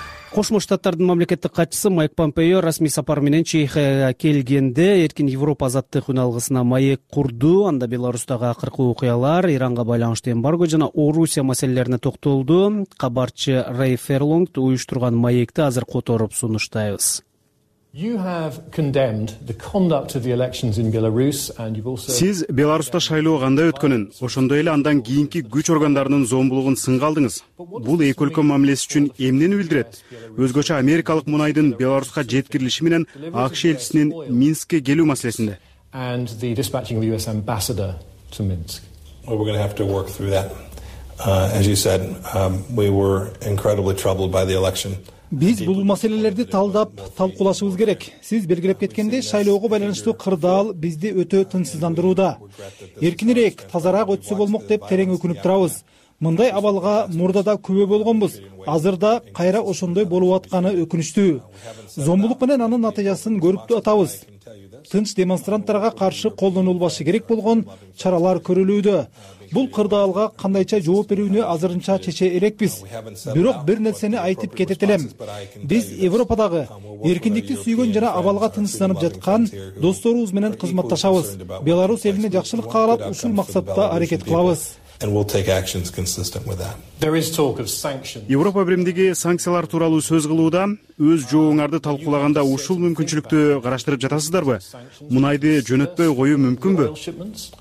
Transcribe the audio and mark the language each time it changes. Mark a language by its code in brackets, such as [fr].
[ky] Кошмо Штаттардын мамлекеттик катчысы Майк Помпео расмий сапар менен Чехияга келгенде Эркин Европа азаттык үналгысына маек курду. Анда Беларусьтагы акыркы окуялар, Иранга байланыштуу эмбарго жана Орусия маселелерине токтолду. Кабарчы Рэй Ферлонг уюштурган маекти азыр которуп сунуштайбыз. [en] You have condemned the conduct of the elections in Belarus and you've also [ky] Сиз Беларусьта шайлоо кандай өткөнүн, ошондой эле андан кийинки күч органдарынын зомбулугун сынга алдыңыз. Бул эки өлкө мамилеси үчүн эмнени билдирет? Өзгөчө Америкалык мунайдын Беларуська жеткирилиши менен АКШ элчисинин Минскке келүү маселесинде. [en] And the dispatching of the US ambassador to Minsk. We're going to have to work through that. As you said, we were incredibly troubled by the election. [ky] Биз бул маселелерди талдап талкуулашыбыз керек. Сиз белгилеп кеткенде шайлоого байланыштуу кырдаал бизди өтө тынчсыздандырууда. Эркинирээк, тазараак өтсө болмок деп терең өкүнүп турабыз. Мындай абалга мурда да күбө болгонбуз. Азырда кайра ошондой болуп атканы өкүнүчтүү. Зомбулук менен анын натыйжасын көрүп атабыз. Тынч демонстранттарга каршы колдонулбашы керек болгон чаралар көрүлүүдө. Бул кырдаалга кандайча жооп берүүнү азырынча чече элекпиз. Бирок бир нерсени айтып кетет элем. Биз Европадагы эркиндикти сүйгөн жана абалга тынчсызданып жаткан досторубуз менен кызматташабыз. Беларусь элине жакшылык каалап, ушул максатта аракет кылабыз. [en] And we'll take actions consistent with that. There is talk of sanctions. [ky] Европа биримдиги санкциялар тууралуу сөз кылууда өз жооңарды талкуулаганда ушул мүмкүнчүлүктү караштырып жатасыздарбы? Мунайды жөнөтпөй коюу мүмкүнбү?